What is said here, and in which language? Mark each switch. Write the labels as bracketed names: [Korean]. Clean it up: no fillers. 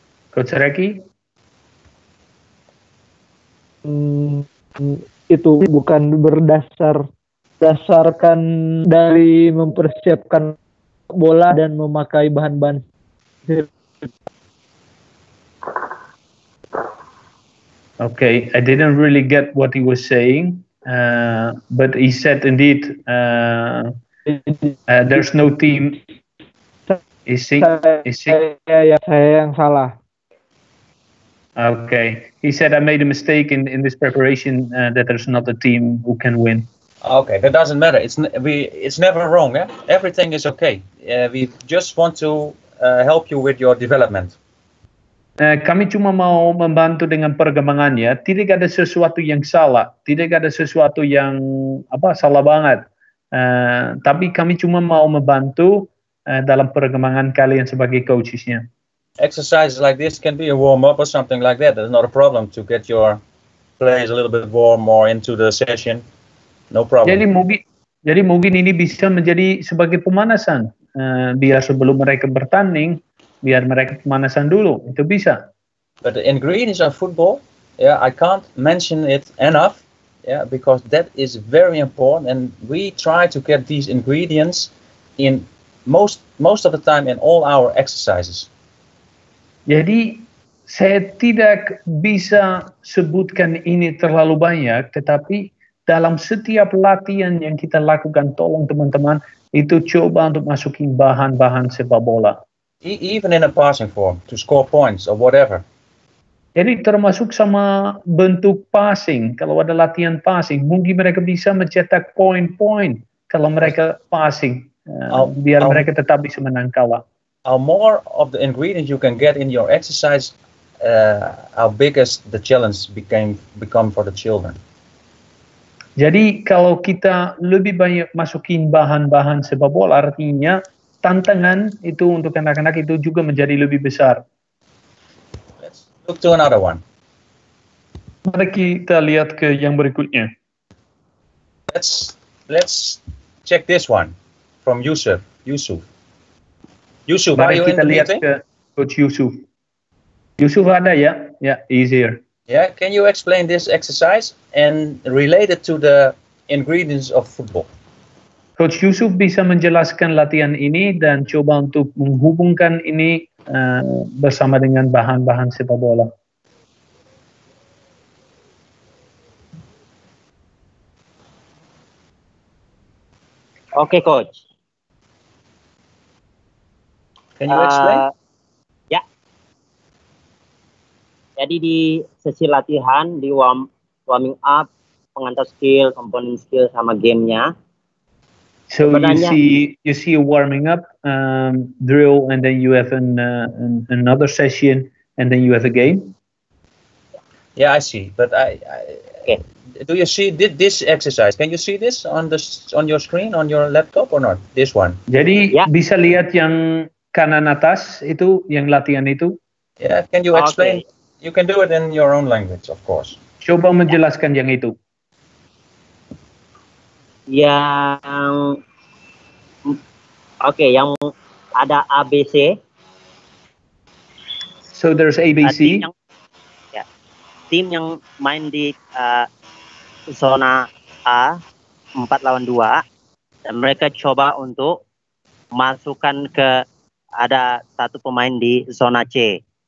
[English] Coach Reki? [Indonesian] Itu bukan berdasarkan dari mempersiapkan bola dan memakai bahan-bahan. [English] Okay, I didn't really get what he was saying, but he said indeed there's no team. Is he? [Indonesian] Saya yang salah. [English] Okay, he said I made a mistake in this preparation that there's not a team who can win. Okay, that doesn't matter. It's never wrong. Yeah? Everything is okay. We just want to help you with your development. [Indonesian] Kami cuma mau membantu dengan perkembangannya. Tidak ada sesuatu yang salah. Tidak ada sesuatu yang salah banget. Tapi kami cuma mau membantu dalam perkembangan kalian sebagai coachesnya. [English] Exercises like this can be a warm up or something like that. There's not a problem to get your players a little bit warm or into the session. No problem. [Indonesian] Jadi mungkin ini bisa menjadi sebagai pemanasan. Biar sebelum mereka bertanding, biar mereka pemanasan dulu. Itu bisa. [English] But the ingredients of football, yeah, I can't mention it enough, yeah, because that is very important. And we try to get these ingredients in most of the time in all our exercises. [Indonesian] Jadi saya tidak bisa sebutkan ini terlalu banyak, tetapi dalam setiap latihan yang kita lakukan, tolong teman-teman itu coba untuk masukin bahan-bahan sepak bola. [English] Even in a passing form to score points or whatever. [Indonesian] Jadi termasuk sama bentuk passing. Kalau ada latihan passing, mungkin mereka bisa mencetak poin-poin kalau mereka passing, biar mereka tetap bisa menang kalah. [English] How more of the ingredients you can get in your exercise, how biggest the challenge become for the children. [Indonesian] Jadi kalau kita lebih banyak masukin bahan-bahan sepak bola, artinya tantangan itu untuk anak-anak itu juga menjadi lebih besar. [English] Let's look to another one. [Indonesian] Mari kita lihat ke yang berikutnya. [English] Let's check this one from Yusuf. Yusuf, [Indonesian] mari kita lihat ke Coach Yusuf. Yusuf ada ya? [English] Yeah, he's here. Yeah, can you explain this exercise and relate it to the ingredients of football? [Indonesian] Coach Yusuf bisa menjelaskan latihan ini dan coba untuk menghubungkan ini bersama dengan bahan-bahan sepak bola. [English] Okay, Coach. Can you explain? [Indonesian] Ya. Jadi di sesi latihan, di warming up, pengantar skill, component skill, sama gamenya. [English] So you see warming up, drill, and then you have another session, and then you have a game. Yeah, I see. But I do you see this exercise? Can you see this on your screen, on your laptop, or not? This one. [Indonesian] Jadi bisa lihat yang kanan atas itu, yang latihan itu. [English] Yeah, can you explain? Okay. You can do it in your own language, of course. [Indonesian] Coba menjelaskan yang itu. Yang oke, okay, yang ada ABC. [English] So there's ABC. [Indonesian] Tim yang main di zona A 4-2 dan mereka coba untuk masukkan ke ada satu pemain di zona C.